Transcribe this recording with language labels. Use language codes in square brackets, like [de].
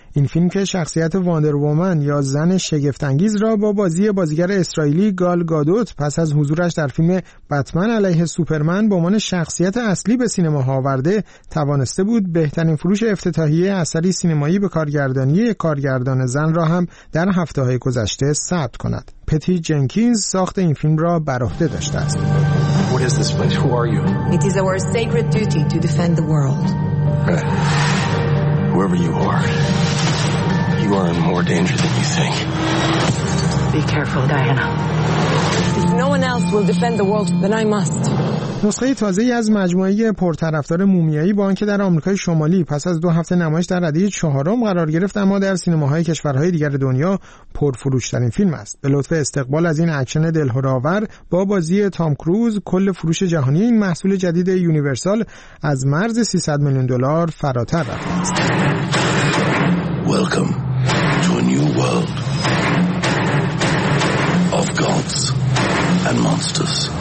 [fa] این فیلم که شخصیت واندر وومن یا زن شگفت‌انگیز را با بازی بازیگر اسرائیلی گال گادوت پس از حضورش در فیلم بتمن علیه سوپرمن به عنوان شخصیت اصلی به سینما آورده، توانسته بود بهترین فروش افتتاحیه اثری سینمایی به کارگردانی کارگردان زن را هم در هفته‌های گذشته ثبت کند. پتی جنکینز ساخت این فیلم را بر عهده داشته است. [en] What is this place? Who are you? It is our sacred duty to defend the world. Whoever you are in more danger than you think. Be careful, Diana. If no one else will defend the world, then I must. [fa] نسخه تازه‌ای از مجموعه پرطرفدار مومیایی با آنکه در آمریکای شمالی پس از دو هفته نمایش در ردیه چهارم قرار گرفت، اما در سینماهای کشورهای دیگر دنیا پرفروش‌ترین فیلم است. به لطف استقبال از این اکشن دلهره‌آور با بازی تام کروز، کل فروش جهانی این محصول جدید یونیورسال از مرز 300 میلیون دلار فراتر رفت. [en] Welcome to a new world of gods and monsters.